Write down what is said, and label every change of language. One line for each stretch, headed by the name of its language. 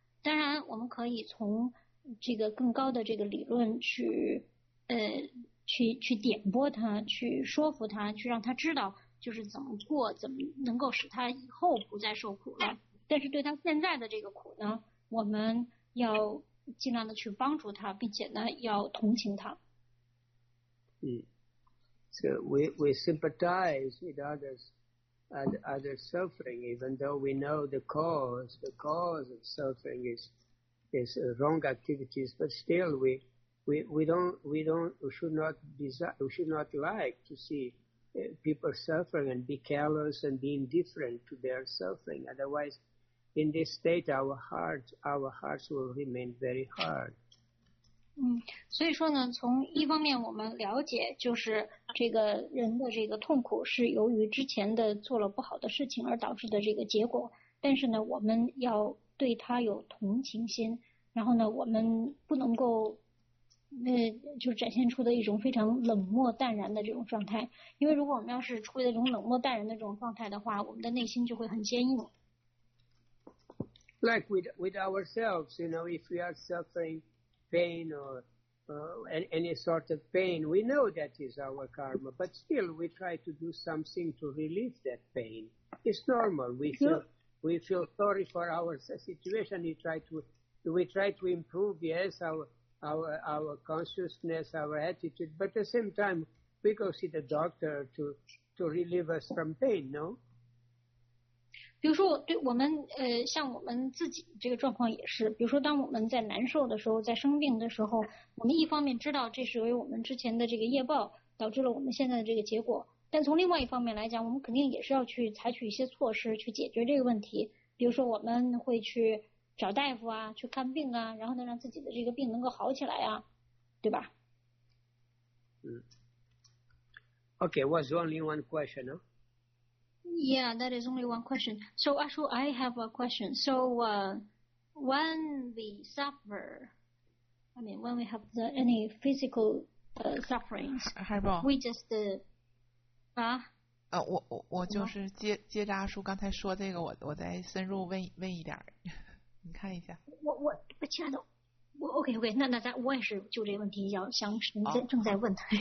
Chinese: 当然，我们可以从这个更高的这个理论去点拨他，去说服他，去让他知道就是怎么过，怎么能够使他以后不再受苦了。但是对他现在的这个苦呢，我们要尽量的去帮助他，并且呢要同情他。
English: 嗯， so we sympathize with others and other suffering, even though we know the cause of suffering is wrong activities, but still we should not like to see people suffering and be callous and be indifferent to their suffering. Otherwise, in this state, our hearts will remain very hard.
Chinese: 所以说呢，从一方面我们了解，就是这个人的这个痛苦是由于之前的做了不好的事情而导致的这个结果。但是呢，我们要对他有同情心，然后呢，我们不能够。那就展现出的一种非常冷漠淡然的这种状态，因为如果我们要是处于那种冷漠淡然的这种状态的话，我们的内心就会很坚硬。
English: Like with ourselves, you know, if we are suffering pain or any sort of pain, we know that is our karma, but still we try to do something to relieve that pain. It's normal. We feel sorry for our situation. We try to improve. Yes, our consciousness, our attitude, but at the same time, we go see the doctor to relieve us from pain, no?
Chinese: 比如说，对我们像我们自己这个状况也是，比如说，当我们在难受的时候，在生病的时候，我们一方面知道这是因为我们之前的这个业报导致了我们现在的这个结果，但从另外一方面来讲，我们肯定也是要去采取一些措施去解决这个问题，比如说我们会去。找大夫啊，去看病啊，然后呢，让自己的这个病能够好起来啊，对吧？嗯。
English: Okay, was only one question, no? Yeah, that is only one question. So actually, I have a question. So when we suffer, I mean, when we have the, any physical sufferings,
Chinese: 海宝
English: we just 啊、
Chinese: 我就是接着阿叔刚才说这个，我再深入问一点，你看一下。我亲爱的，我 OK OK， 那咱我也是就这个问题要想正在问。